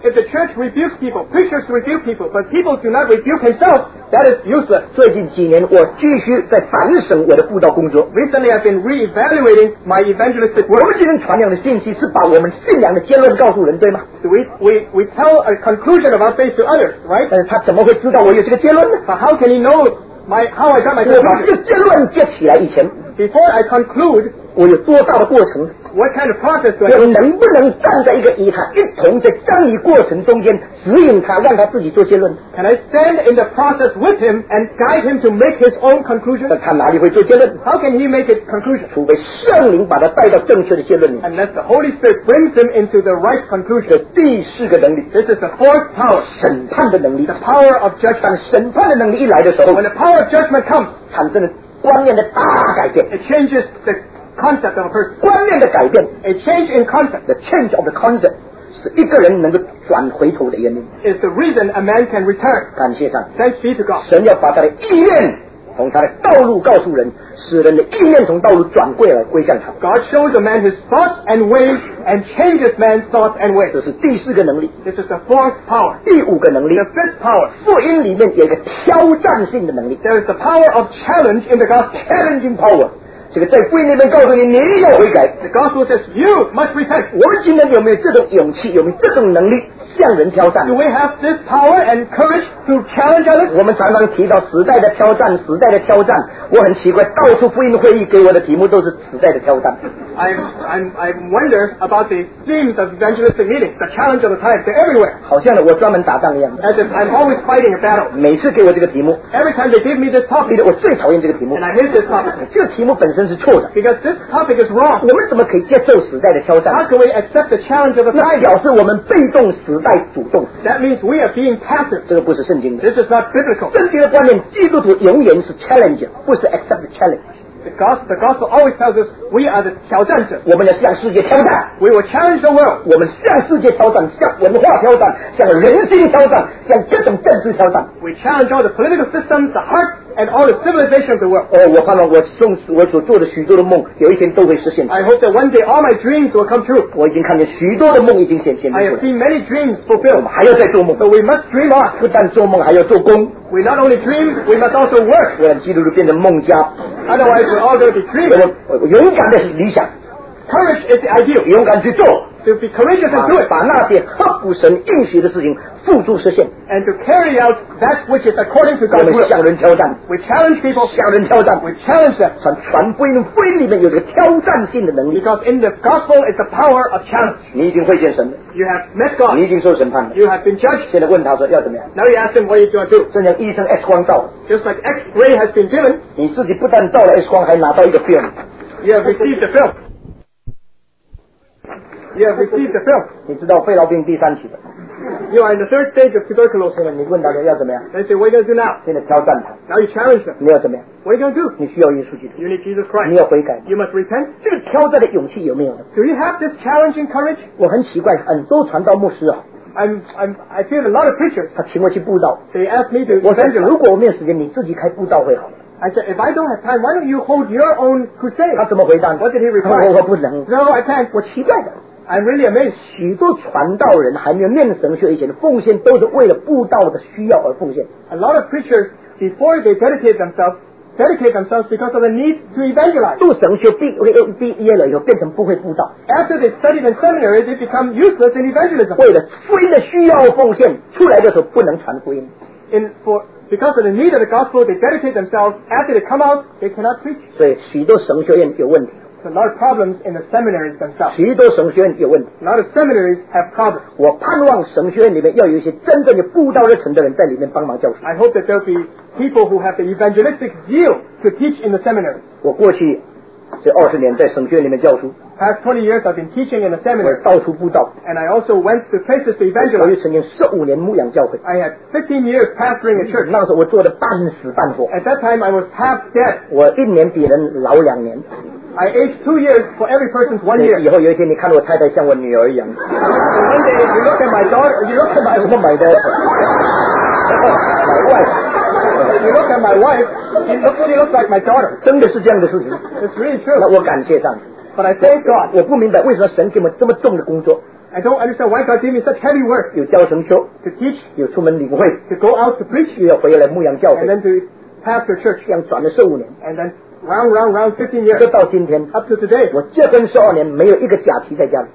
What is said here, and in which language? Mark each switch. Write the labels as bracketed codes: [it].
[en] If the church rebukes people, preachers rebuke people, but people do not rebuke themselves, that is useless. [zh] 最近几年，我继续在反省我的布道工作。 [en] Recently, I've been reevaluating my evangelistic [zh] work. 我们今天传扬的信息是把我们信仰的结论告诉人，对吗？ [en] We tell a conclusion of our faith to others. Right? [zh] 但是他怎么会知道我有这个结论呢 [en] But how can he know my, how I got my [zh] conclusion? 我把这个结论接起来以前 [en] Before I conclude [zh] 我有多大的过程 [en] What kind of process do I have? [zh] 我能不能站在一个以他一同在正义过程中间指引他让他自己做结论 [en] Can I stand in the process with him and guide him to make his own conclusion? [zh] 但他哪里会做结论 [en] How can he make his conclusion? [zh] 除非圣灵把他带到正确的结论里 [en] Unless the Holy Spirit brings him into the right conclusion [zh] 这第四个能力 [en] This is the fourth power [zh] 审判的能力 [en] The power of judgment [zh] 当审判的能力一来的时候 [en] When the power of judgment comes [zh] 产生了观念的大改变 [en] It changes theconcept of a person [zh] 观念的改变 [en] a change in concept the change of the concept [zh] 是一个人能够转回头的原因 [en] is the reason a man can return [zh] 感谢上 [en] thanks be to God [zh] 神要把他的意念从他的道路告诉人使人的意念从道路转过来归向他 [en] God shows a man his thoughts and ways and changes man's thoughts and ways [zh] 这是第四个能力 [en] this is the fourth power [zh] 第五个能力 [en] the fifth power [zh] 福音里面有一个挑战性的能力 [en] there is the power of challenge in the gospel challenging power [zh] 这个在福音里面告诉你，你要悔改。 [en] The gospel says you must repent. [zh] 我们今天有没有这种勇气，有没有这种能力，向人挑战。 [en] Do we have this power and courage to challenge others? [zh] 我们常常提到时代的挑战，时代的挑战。我很奇怪，到处福音会议给我的题目都是时代的挑战。 [en] I wonder about the themes of evangelistic meetings, the challenge of the times. They're everywhere. [zh] 好像我专门打仗一样。 [en] As if I'm always fighting a battle. [zh] 每次给我这个题目。 [en] Every time they give me this topic. [zh] 我最讨厌这个题目。 [en] And I hate this topic. [zh] 这个题目本身是错的。 [en] Because this topic is wrong. [zh] 我们怎么可以接受时代的挑战？ [en] How can we accept the challenge of the times? [zh] 那表示我们被动，时代主动。 [en] That means we are being passive. [zh] 这个不是圣经的。 [en] This is not biblical. [zh] 圣经的观念，基督徒永远是 challenger， 不是 [en] accept the challenge。 The gospel always tells us we are the [zh] 挑战者。我们要向世界挑战。 [en] We will challenge the world. [zh] 我们向世界挑战，向文化挑战，向人心挑战，向各种政治挑战。 [en] We challenge all the political systems, the heart, and all the civilization of the world. [zh] 哦，我盼望我所做的许多的梦，有一天都会实现。 [en] I hope that one day all my dreams will come true. [zh] 我已经看见许多的梦已经显出来。 [en] I have seen many dreams fulfilled. [zh] 我们还要再做梦。 [en] So we must dream on. [zh] 不但做梦，还要做工。 [en] We not only dream, we must also work. [zh] 不然基督徒变成梦家。 [en] Otherwise, we're all going to be dreaming. [zh] 我勇敢的理想。 [en] Courage is the ideal. [zh] 勇敢去做。 [en] To be courageous and do it. [zh] 把那些合乎神应许的事情付诸实现。 [en] And to carry out that which is according to God's will. [zh] 我们向人挑战。 [en] We challenge people. [zh] 向人挑战。 [en] We challenge them. [zh] 传传福音，福音里面有这个挑战性的能力。 [en] Because in the gospel is the power of challenge. [zh] 你已经会见神了。 [en] You have met God. [zh] 你已经受审判了。 [en] You have been judged. [zh] 现在问他说要怎么样。 [en] Now you ask him what you're going to do. [zh] 正像医生 X 光照。 [en] Just like X-ray has been given. [zh] 你自己不但照了 X 光，还拿到一个 film. [en] You have received the film. You have received the film. [zh] 你知道肺痨病第三期的。 [en] You are in the third stage of tuberculosis. [zh] 现在你问大家要怎么样。 [en] They say, what are you going to do now? [zh] 现在挑战他。 [en] Now you challenge them. [zh] 你要怎么样。 [en] What are you going to do? [zh] 你需要耶稣基督。 [en] You need Jesus Christ. [zh] 你要悔改。 [en] You must repent. [zh] 这个挑战的勇气有没有呢？ [en] Do you have this challenging courage? [zh] 我很奇怪，很多传道牧师啊。 [en] I feel a lot of preachers. [zh] 他请我去布道。 [en] They ask me to. [zh] 我想想，如果我没有时间，你自己开布道会好了。 [en] I said, if I don't have time, why don't you hold your own crusade? [zh] 他怎么回答？ [en] What did he reply? [zh] 我不能。 [en] No, I can't. [zh] 我奇怪的。 [en] I'm really amazed. [zh] 许多传道人还没有念神学以前，奉献都是为了布道的需要而奉献。 [en] A lot of preachers before they dedicate themselves because of the need to evangelize. [zh] 读神学毕业了以后变成不会布道。 [en] After they studied in seminary, they become useless in evangelism. [zh] 为了福音的需要奉献，出来的时候不能传福音。 [en] Because of the need of the gospel, they dedicate themselves. After they come out, they cannot preach. [zh] 所以许多神学院有问题。 [en] A lot of problems in the seminaries themselves. [zh] 许多神学院有问题。 [en] A lot of seminaries have problems. [zh] 我盼望神学院里面要有一些真正的布道热忱的人在里面帮忙教学。 [en] I hope that there'll be people who have the evangelistic zeal to teach in the seminary. [zh] 我过去这二十年在神学院里面教书。 [en] Past 20 years, I've been teaching in a seminary. [zh] 我到处布道。 [en] And I also went to places to evangelize. [zh] 我曾经15年牧养教会。 [en] I had 15 years pastoring a church. [zh] 那时候我做的半死半活。 [en] At that time, I was half dead. [zh] 我一年比人老两年。 [en] I age 2 years for every person's 1 year. [zh] 以后有一天，你看我太太像我女儿一样。 [en] One day you look at my daughter. You look at my wife. My wife. You look at my wife. She looks like my daughter. [zh] 真的是这样的事情。 [en] It's really true. [zh] 那我感谢上帝。 [en] But I thank God. [zh] 我不明白为什么神给我这么重的工作。 [en] I don't understand why God gave me such heavy work. [zh] 有教神学。 [en] To teach. [zh] 有出门领会。 [en] To go out to preach. [zh] 又要回来牧养教会。 [en] And then to pastor church. [zh] 这样转了15年。 [en] And then. Round 15 years. [zh] 这到今天 [en] up to today, [zh] 我结婚12年没有一个假期在家里。